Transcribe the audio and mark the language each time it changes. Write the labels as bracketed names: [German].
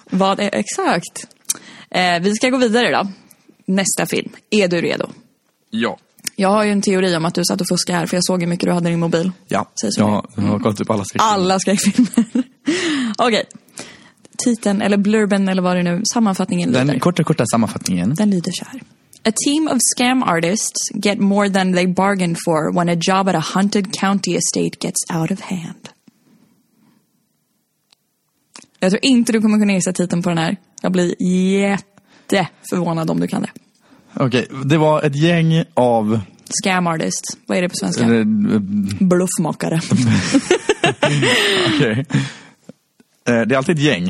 [Swedish] Vad är exakt? Vi ska gå vidare då. Nästa film. Är du redo? Ja. Jag har ju en teori om att du satt och fuskade här, för jag såg hur mycket du hade i din mobil. Ja, jag har kollat upp alla skräckfilmer. Alla skräckfilmer. Okej. Titeln, eller blurben, eller vad det nu, sammanfattningen lyder. Den korta sammanfattningen. Den lyder så här. [English] A team of scam artists get more than they bargained for when a job at a haunted county estate gets out of hand. [Swedish] Jag tror inte du kommer kunna gissa titeln på den här. Jag blir jätteförvånad om du kan det. Okej, det var ett gäng av... Scam artists. Vad är det på svenska? Bluffmakare. Okej. Det är alltid ett gäng.